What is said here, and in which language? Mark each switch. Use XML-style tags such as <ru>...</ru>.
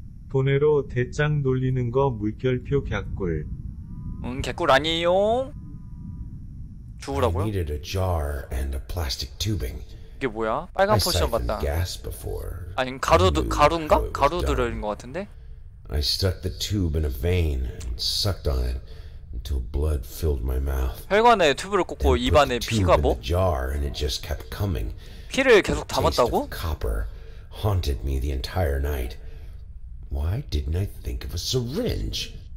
<ko>보내로 대짱 놀리는 거 물결표 갸꿀. 갸꿀 아니에요. 죽으라고요?</ko> <en>Needed a jar and a plastic tubing.</en> <ko>이게 뭐야? 빨간 포션 같다. 아니 가루인가? 가루 들어있는 것 같은데?</ko> <en>I stuck the tube in a vein and sucked on it until blood filled my mouth.</en> <ko>혈관에 튜브를 꽂고 입안에 피가 뭐?</ko> <en>Jar and it just kept coming.</en> <ko>피를 계속 담았다고?</ko> <en>Copper haunted me the entire night. Why didn't I think of a syringe?</en>